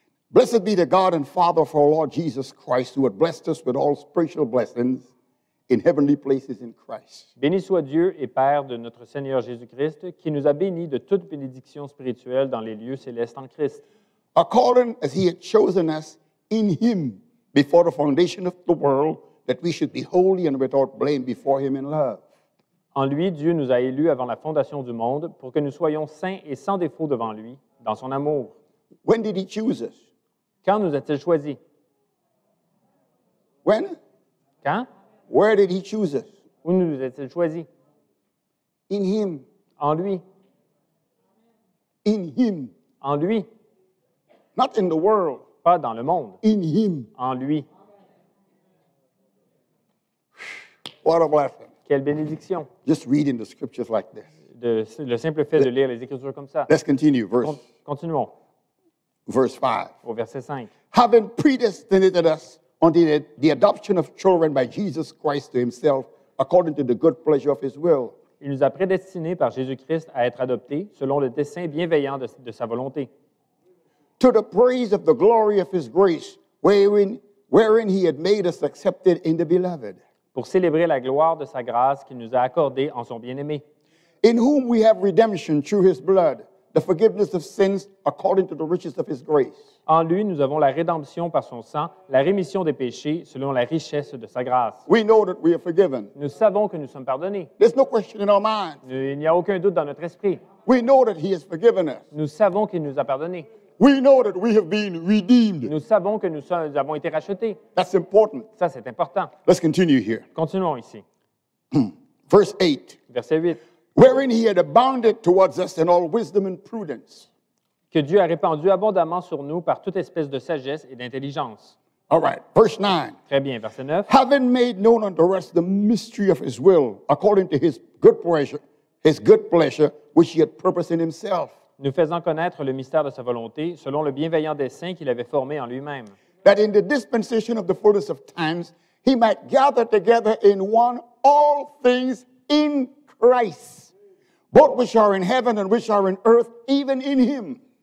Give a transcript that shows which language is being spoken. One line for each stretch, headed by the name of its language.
English: Blessed be the God and Father of our Lord Jesus Christ, who hath blessed us with all spiritual blessings in heavenly places in Christ.
French: Béni soit Dieu et Père de notre Seigneur Jésus-Christ, qui nous a bénis de toute bénédiction spirituelle dans les lieux célestes en Christ.
English: According as he had chosen us in him before the foundation of the world, that we should be holy and without blame before him in love.
French: En lui, Dieu nous a élus avant la fondation du monde pour que nous soyons saints et sans défaut devant lui, dans son amour.
English: When did he choose us?
French: Quand nous a-t-il choisi?
English: When?
French: Quand?
English: Where did he choose us?
French: Où nous a-t-il choisi?
English: In him.
French: En lui.
English: In him.
French: En lui.
English: Not in the world.
French: Pas dans le monde.
English: In him.
French: En lui.
English: What a blessing.
French: Quelle bénédiction.
English: Just reading the scriptures like this.
French: Le simple fait de lire les Écritures comme ça.
English: Let's continue.
French: Continuons.
English: Verse 5.
French: Au verset 5.
English: Having predestinated us unto the adoption of children by Jesus Christ to himself, according to the good pleasure of his will.
French: Il nous a prédestinés par Jésus-Christ à être adoptés selon le dessein bienveillant de sa volonté.
English: To the praise of the glory of his grace, wherein he had made us accepted in the beloved.
French: Pour célébrer la gloire de sa grâce qu'il nous a accordée en son bien-aimé.
English: In whom we have redemption through his blood, the forgiveness of sins according to the riches of his grace.
French: En lui, nous avons la rédemption par son sang, la rémission des péchés selon la richesse de sa grâce.
English: We know that we are forgiven.
French: Nous savons que nous sommes pardonnés.
English: There's no question in our mind.
French: Il n'y a aucun doute dans notre esprit.
English: We know that he has forgiven us.
French: Nous savons qu'il nous a pardonnés.
English: We know that we have been redeemed.
French: Nous savons que nous avons été rachetés.
English: That's important.
French: Ça, c'est important.
English: Let's continue here.
French: Continuons ici. Verset 8.
English: Wherein he had abounded towards us in all wisdom and prudence.
French: Que Dieu a répandu abondamment sur nous par toute espèce de sagesse et d'intelligence.
English: All right, verse 9.
French: Très bien, verset 9.
English: Having made known unto us the mystery of his will, according to his good pleasure, which he had purposed in himself.
French: Nous faisant connaître le mystère de sa volonté, selon le bienveillant dessein qu'il avait formé en lui-même.
English: That in the dispensation of the fullness of times, he might gather together in one all things in Christ, both which are in heaven and which are in earth, even in him.